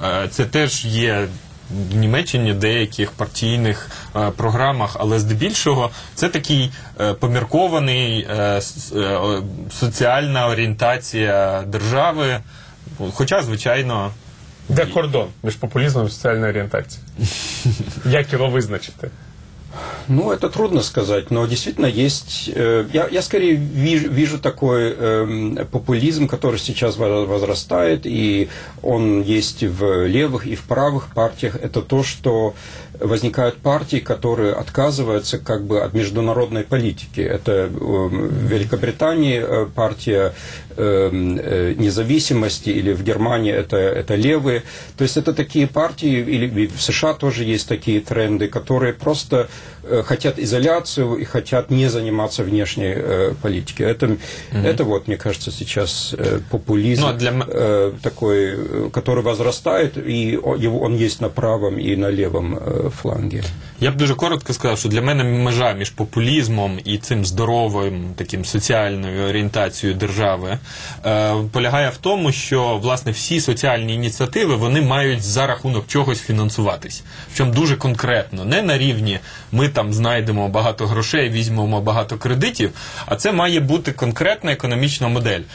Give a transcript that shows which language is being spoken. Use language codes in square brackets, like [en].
[uk] Це теж є в Німеччині деяких партійних програмах, але здебільшого це такий поміркований соціальна орієнтація держави. Хоча, звичайно, де кордон між популізмом і соціальною орієнтацією? Як його визначити? [ru] Ну, это трудно сказать, но действительно есть, я скорее вижу такой популизм, который сейчас возрастает, и он есть в левых и в правых партиях, это то, что возникают партии, которые отказываются как бы от международной политики. Это в Великобритании партия независимости, или в Германии это левые. То есть это такие партии, или в США тоже есть такие тренды, которые просто хотят изоляцию и хотят не заниматься внешней политикой. Это вот, мне кажется, сейчас популизм, такой, который возрастает, и он есть на правом и на левом фланге. [uk] Я б дуже коротко сказав, що для мене межа між популізмом і цим здоровим таким соціальною орієнтацією держави полягає в тому, що, власне, всі соціальні ініціативи, вони мають за рахунок чогось фінансуватись. Причому дуже конкретно. Не на рівні ми там знайдемо багато грошей, візьмемо багато кредитів, а це має бути конкретна економічна модель.